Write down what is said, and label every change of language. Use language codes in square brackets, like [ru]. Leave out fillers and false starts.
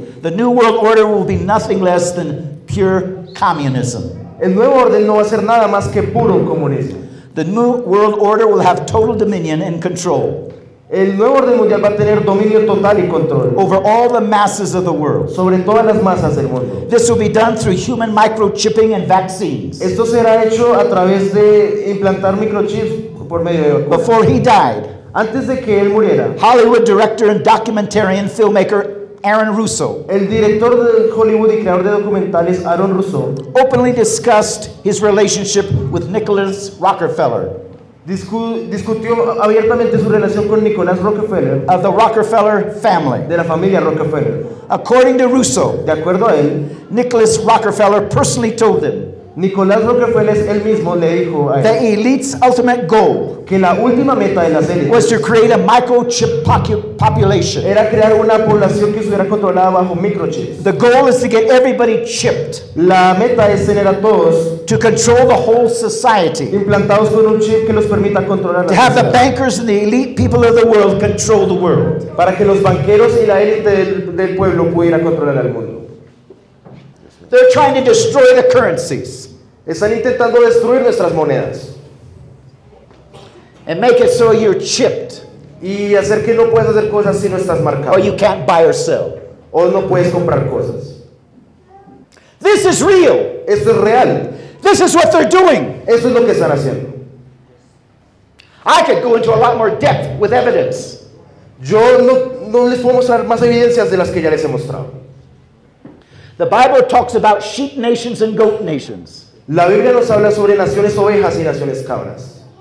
[en] The new world order will be nothing less than pure communism. [es] El nuevo orden no va a ser nada más que puro comunismo. [en] The new world order will have total dominion and control. [es] El nuevo orden mundial va a tener dominio total y control. [en] Over all the masses of the world. [es] Sobre todas las masas del mundo. [en] This will be done through human microchipping and vaccines. [es] Esto será hecho a través de implantar microchips por medio de vacunas. [en] Before he died. [es] Antes de que él muriera. [en] Hollywood director and documentarian filmmaker Aaron Russo. [es] El director de Hollywood y creador de documentales Aaron Russo [en] openly discussed his relationship with Nicholas Rockefeller. [es] Discutió abiertamente su relación con Nicholas Rockefeller [en] of the Rockefeller family. [es] De la familia Rockefeller. [en] According to Russo, [es] de acuerdo a él, [en] Nicholas Rockefeller personally told him. [es] Nicolás Rockefeller él mismo le dijo a él, [en] the elite's ultimate goal, [es] que la última meta de las élites, [en] was to create a microchip population. [es] Era crear una población que estuviera controlada bajo microchips. [en] The goal is to get everybody chipped. [es] La meta es tener a todos, [en] to control the whole society. [es] Implantados con un chip que los permita controlar la sociedad. [en] To have the bankers and the elite people of the world control the world. [es] Para que los banqueros y la élite del pueblo pudiera controlar el mundo. [en] They're trying to destroy the currencies. [es] Están intentando destruir nuestras monedas. [en] And make it so you're chipped. [es] Y hacer que no puedes hacer cosas si no estás marcado. [en] Or you can't buy or sell. [es] O no puedes comprar cosas. [en] This is real. [es] Esto es real. [en] This is what they're doing. [es] Esto es lo que están haciendo. [en] I could go into a lot more depth with evidence. [es] Yo no les puedo mostrar más evidencias de las que ya les he mostrado. [en] The Bible talks about sheep nations and goat nations. [es] La Biblia nos habla sobre naciones ovejas y naciones cabras.